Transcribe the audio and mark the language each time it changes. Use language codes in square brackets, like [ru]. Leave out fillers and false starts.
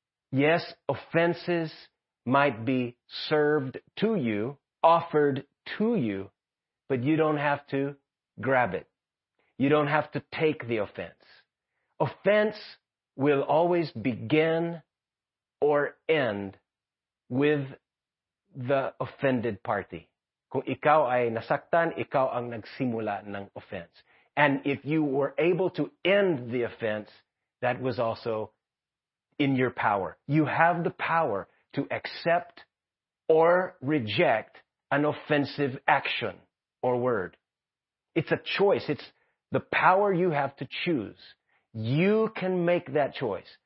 [en] Yes, offenses might be served to you, offered to you, but you don't have to grab it. You don't have to take the offense. Offense will always begin or end with the offended party. [tl] Kung ikaw ay nasaktan, ikaw ang nagsimula ng offense. [en] And if you were able to end the offense, that was also in your power. You have the power to accept or reject an offensive action or word. It's a choice. It's the power you have to choose. You can make that choice.